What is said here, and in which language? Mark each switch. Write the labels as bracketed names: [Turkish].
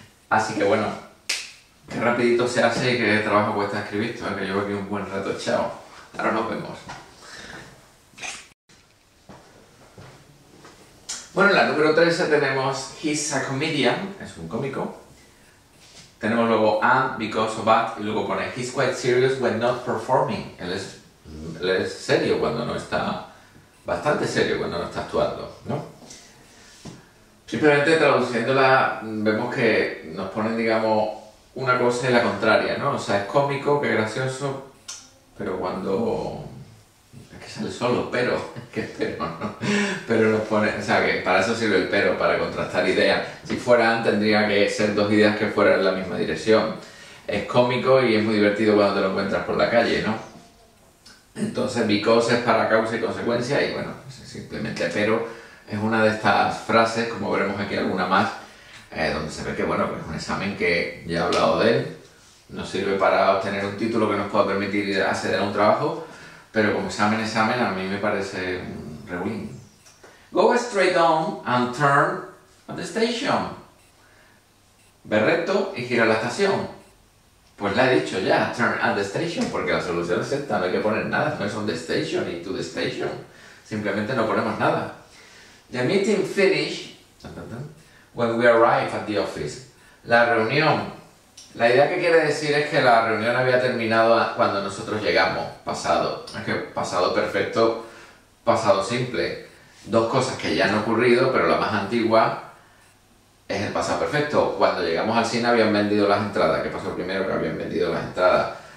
[Spanish] Así que bueno, qué rapidito se hace y qué trabajo cuesta escribir esto, que llevo aquí un buen rato echado. Ahora nos vemos. Bueno, en la número 13 tenemos [English] he's a comedian, [Spanish] es un cómico. Tenemos luego [English] and, because of that, [Spanish] y luego pone [English] he's quite serious when not performing. [Spanish] Él es serio cuando no está, bastante serio cuando no está actuando, ¿no? Simplemente traduciéndola vemos que nos ponen, digamos, una cosa y la contraria, ¿no? O sea, es cómico, qué gracioso, pero cuando... Es que sale solo, pero... ¿Qué pero, no? Pero nos pone... O sea, que para eso sirve el pero, para contrastar ideas. Si fueran, tendría que ser dos ideas que fueran en la misma dirección. Es cómico y es muy divertido cuando te lo encuentras por la calle, ¿no? Entonces, because es para causa y consecuencia y, bueno, simplemente pero... Es una de estas frases, como veremos aquí alguna más, donde se ve que, bueno, pues es un examen que ya he hablado de él, nos sirve para obtener un título que nos pueda permitir acceder a un trabajo, pero como examen, a mí me parece un rebulín. [English] Go straight on and turn at the station. [Spanish] Ve recto y gira la estación. Pues la he dicho ya, [English] turn at the station, [Spanish] porque la solución es esta, no hay que poner nada, no es [English] on the station [Spanish] y [English] to the station, [Spanish] simplemente no ponemos nada. [English] The meeting finished when we arrived at the office. [Spanish] La reunión. La idea que quiere decir es que la reunión había terminado cuando nosotros llegamos. Pasado. Es que pasado perfecto, pasado simple. Dos cosas que ya han ocurrido, pero la más antigua es el pasado perfecto. Cuando llegamos al cine habían vendido las entradas. ¿Qué pasó primero? Que habían vendido las entradas.